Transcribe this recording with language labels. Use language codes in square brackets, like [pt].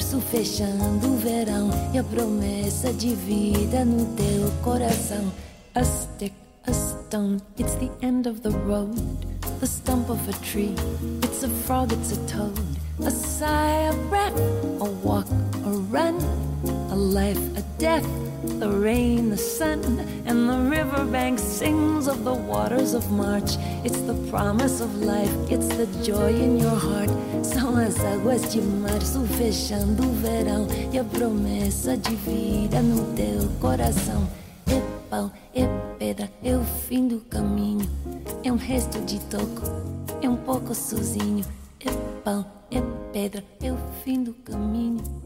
[pt] Fechando o verão e a promessa de vida no teu coração. [en] A stick, a stone, it's the end of the road. The stump of a tree, it's a frog, it's a toad. A sigh, a breath, a walk, a run. A life, a death, the rain, the sun. And the riverbank sings of the waters of March. It's the promise of life, it's the joy in your heart. [pt] São as águas de março fechando o verão e a promessa de vida no teu coração. É pau, é pedra, é o fim do caminho. É resto de toco, é pouco sozinho. É pau, é pedra, é o fim do caminho.